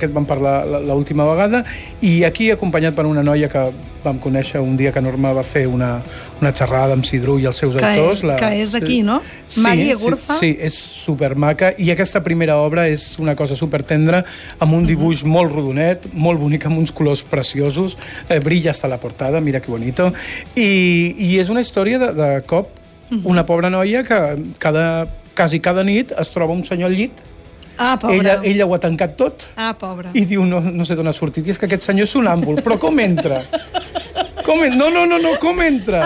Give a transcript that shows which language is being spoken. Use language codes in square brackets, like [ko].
[ca] Aquest vam parlar l'última vegada. I aquí, acompanyat per una noia que vam conèixer un dia que Norma va fer una xerrada amb Zidru i els seus autors. Que és d'aquí, no? Sí, Maggie Gurza. Sí, és supermaca. I aquesta primera obra és una cosa supertendra, amb un dibuix molt rodonet, molt bonic, amb uns colors preciosos. [es] Brilla hasta la portada, mira que bonito. [ca] I és una història de cop una pobra noia que quasi cada nit es troba un senyor al llit. Ah, pobra. Ella ho ha tancat tot. Ah, pobra. I diu, no sé d'on ha sortit. I és que aquest senyor és un sonàmbul. Però com entra? Com en... No, com entra?